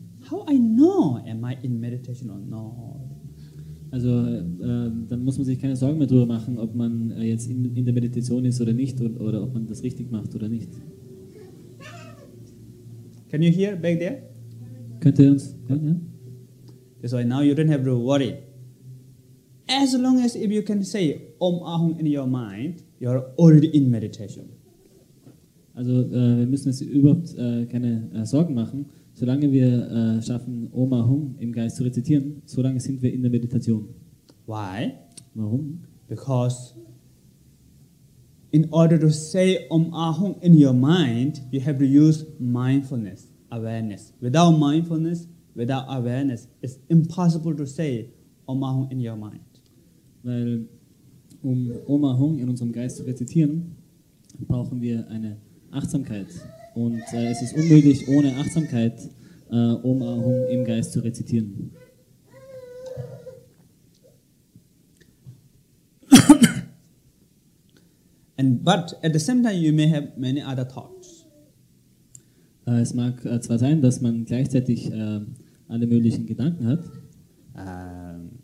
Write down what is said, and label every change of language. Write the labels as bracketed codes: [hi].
[en] How I know am I in meditation or no? [de] Also, dann muss man sich keine Sorgen mehr darüber machen, ob man jetzt in der Meditation ist oder nicht, oder ob man das richtig macht oder nicht. [en] Can you hear back there? [de] Könnt ihr uns hören, ja? [en] That's why now you don't have to worry. As long as if you can say Om Ahum in your mind, you are already in meditation. [de] Also wir müssen uns überhaupt keine Sorgen machen. Solange wir schaffen, Om Ahum im Geist zu rezitieren, solange sind wir in der Meditation. [en] Why? [de] Warum? [en] Because in order to say Om Ahum in your mind, you have to use mindfulness, awareness. Without mindfulness, without awareness, it's impossible to say Om Ahum in your mind. [de] Weil um Om Ahum in unserem Geist zu rezitieren, brauchen wir eine Achtsamkeit. Und es ist unmöglich, ohne Achtsamkeit Om Ahum im Geist zu rezitieren. [en] And but at the same time you may have many other thoughts. [de] Es mag zwar sein, dass man gleichzeitig alle möglichen Gedanken hat.